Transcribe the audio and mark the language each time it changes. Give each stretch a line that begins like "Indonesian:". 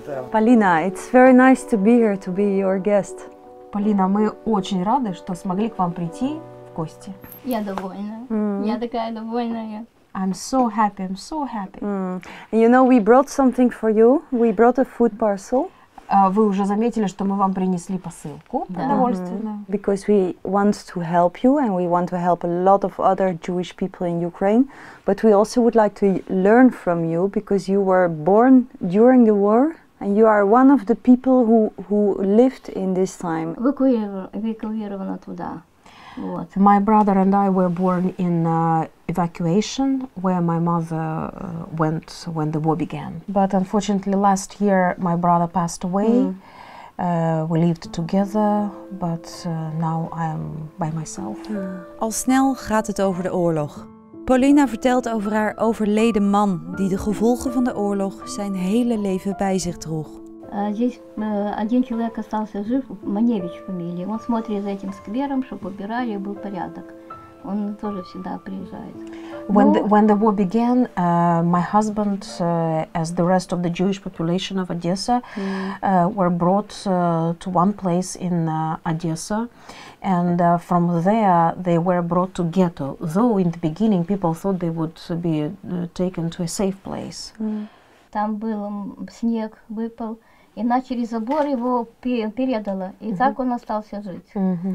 English: Полина, it's very nice to be here, to be your guest.
Russian: Полина, мы очень рады, что смогли к вам прийти в гости. Я довольна. Я такая довольная.
English: I'm so happy. I'm so happy. And you know, we brought something for you. We brought a food parcel.
Russian: Вы уже заметили, что мы вам принесли посылку продовольственную.
English: Because we want to help you and we want to help a lot of other Jewish people in Ukraine, but we also would like to learn from you because you were born during the war and you are one of the people who lived in this time.
Russian: Эвакуировано туда. Вот.
English: My brother and I were born in evacuation where my mother went when the war began. But unfortunately last year my brother passed away. We lived together, but now I'm by myself.
Dutch: Al snel gaat het over de oorlog. Paulina vertelt over haar overleden man die de gevolgen van de oorlog zijn hele leven bij zich droeg.
Russian: Один человек остался жив, Маневич фамилия. Он смотрит за этим сквером, чтобы убирали и был порядок. Он тоже всегда приезжает.
English: When the war began, my husband, as the rest of the Jewish population of Odessa, were brought to one place in Odessa. And from there, they were brought to ghetto. Though in the beginning, people thought they would be taken to a safe place.
Russian: Там был снег, выпал. И на через забор его передала, и так он остался жить.